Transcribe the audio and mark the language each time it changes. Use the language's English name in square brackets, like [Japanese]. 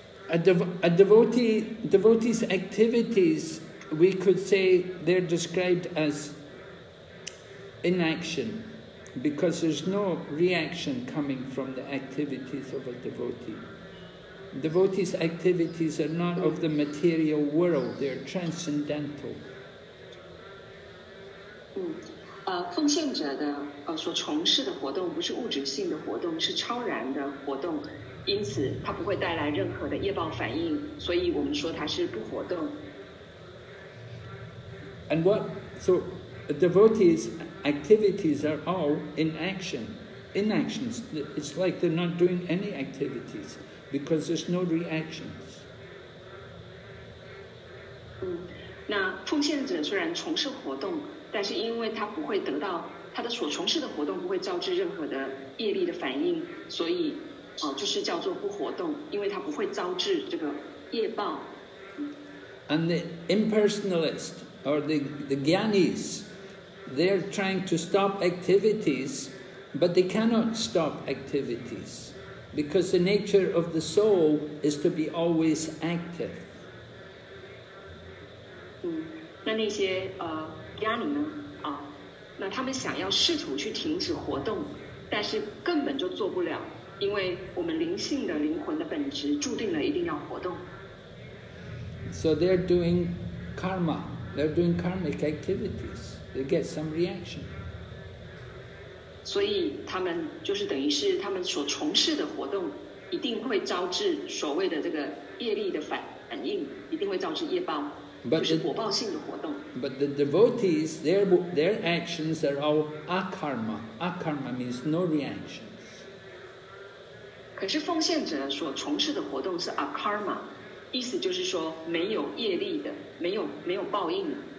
[English] A devotee's activities, we could say they're described as inaction, because there's no reaction coming from the activities of a devotee. Devotee's activities are not of the material world, they're transcendental. [Chinese] 奉献者的所从事的活动不是物质性的活动，是超然的活动。因此它不会带来任何的业报反应，所以我们说它是不活动。 [English] And what, so a devotee's activities are all in action. In actions, it's like they're not doing any activities because there's no reactions. [Chinese] 那奉献者虽然从事活动，但是因为他不会得到，他的所从事的活动不会造致任何的业力的反应，所以就是叫做不活动，因为它不会招致这个业报。 [English] And the impersonalist or the gyanis, they're trying to stop activities, but they cannot stop activities because the nature of the soul is to be always active. [Chinese] 那些gyani呢？那他们想要试图去停止活动，但是根本就做不了。因为我们灵性的灵魂的本质注定了一定要活动。 [English] So they're doing karma. They're doing karmic activities. They get some reaction. [Chinese] 所以他们就是等于是他们所从事的活动一定会招致所谓的这个业力的反应，一定会招致业报，就是果报性的活动。 [English] But the devotees, their actions are all akarma. Akarma means no reaction. [Chinese] 可是奉献者所从事的活动是 akarma， 意思就是说没有业力的，没有报应的。